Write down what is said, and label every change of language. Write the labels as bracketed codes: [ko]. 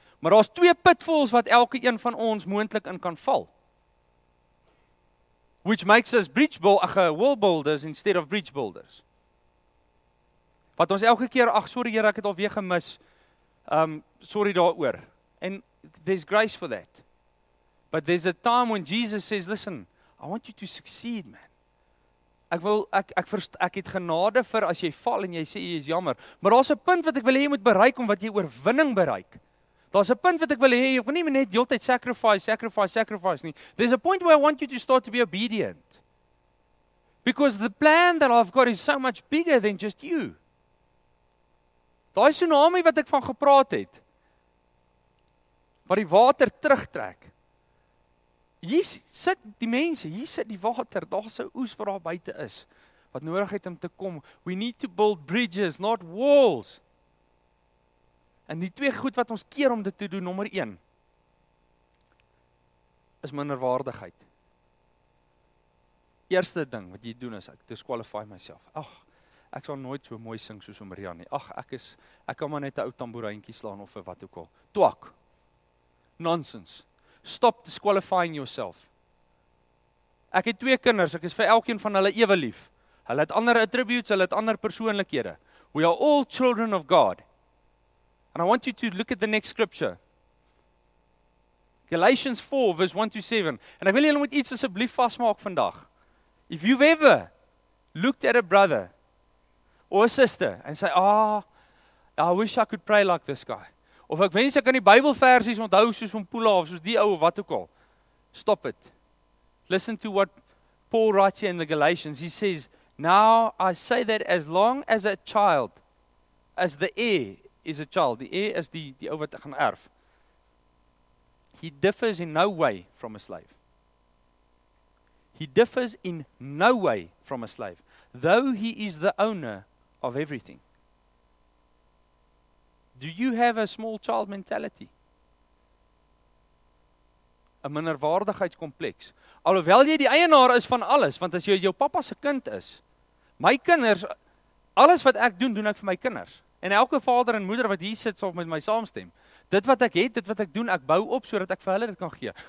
[af] Maar daar is twee pitfalls wat elke een van ons moontlik in kan val. [en] Which makes us wall builders instead of bridge builders. [af] Wat ons elke keer, ach sorry Here, ek het alweer gemis, sorry daaroor. [en] And there's grace for that. But there's a time when Jesus says, listen, I want you to succeed, man. [af] Ek het genade vir as jy val en jy sê jy is jammer. Maar daar's 'n punt wat ek wil hê jy moet bereik om wat jy oorwinning bereik. Daar's 'n punt wat ek wil hê jy moet nie net heeltyd sacrifice nie. [en] There's a point where I want you to start to be obedient. Because the plan that I've got is so much bigger than just you. [af] Daai tsunami wat ek van gepraat het, wat die water terugtrek. Hier sit die mense, hier sit die water, daar's 'n oes wat daar buite is, wat nodig het om te kom. [en] We need to build bridges, not walls. [af] En die twee goed wat ons keer om dit te doen, nommer 1, is minderwaardigheid. Eerste ding wat jy doen is, ek disqualify myself. Ag, ek sal nooit so mooi sing soos om Rian nie. Ag, ek kan maar net 'n ou tamboerijntjie slaan of wat ook al. Twak. Nonsense. [en] Stop disqualifying yourself. [af] Ek het 2 kinders, ek is vir elkeen van hulle ewe lief. Hulle het ander attributes, hulle het ander persoonlikhede. [en] We are all children of God. And I want you to look at the next scripture. Galatians 4 verse 1 to 7. [af] En ek wil julle moet iets asseblief vasmaak vandag. [en] If you've ever looked at a brother or a sister and say, I wish I could pray like this guy. [af] Of ek wens ek kan die Bybelversies onthou soos van Pula of soos die ou of wat ook al. [en] Stop it. Listen to what Paul writes here in the Galatians. He says, now I say that as long as a child, as the heir is a child, the heir is [af] die ou wat gaan erf, [en] he differs in no way from a slave. He differs in no way from a slave, though he is the owner of everything. Do you have a small child mentality? [af] 'N minderwaardigheidskompleks. Alhoewel jy die eienaar is van alles, want as jy jou pappa se kind is, my kinders, alles wat ek doen, doen ek vir my kinders. En elke vader en moeder wat hier sit sal met my saamstem. Dit wat ek het, dit wat ek doen, ek bou op sodat ek vir hulle dit kan gee.